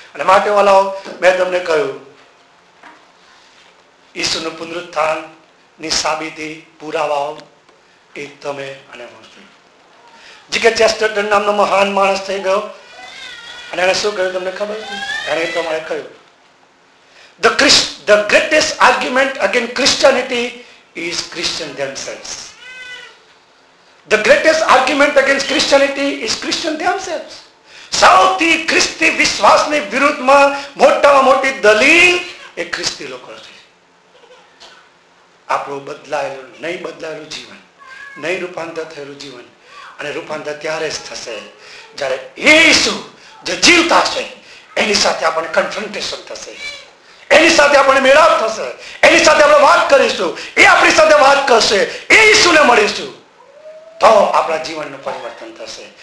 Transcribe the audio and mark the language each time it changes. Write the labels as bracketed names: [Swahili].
[Gujarati] અને માટે વાલાઓ, મેં તમને કહ્યું ઈસુનું પુનરુત્થાન ની સાબિતી પુરાવાઓ એ તમે અને હું છું. જીકે ચેસ્ટરટન નામનો મહાન માણસ થઈ ગયો અને એને શું કહ્યું તમને ખબર છે? એને એ પ્રમાણે કહ્યું, [English] The greatest argument against Christianity is Christian themselves. The greatest argument against Christianity is Christian themselves. [Gujarati] સૌથી ખ્રિસ્તી વિશ્વાસની વિરુદ્ધમાં મોટામાં મોટી દલીલ એ ખ્રિસ્તી લોકો છે. આપણું બદલાયેલું, નહીં બદલાયેલું જીવન, નહીં રૂપાંતર થયેલું જીવન. અને રૂપાંતર ત્યારે જ થશે જ્યારે યેશુ જે જીવતા છે એની સાથે આપણે કન્ફ્રન્ટેશન થશે, એની સાથે આપણે મેળાપ થશે, એની સાથે આપણે વાત કરીશું, એ આપણી સાથે વાત કરશે, એ યેશુને મળીશું, તો આપણા જીવનનું પરિવર્તન થશે.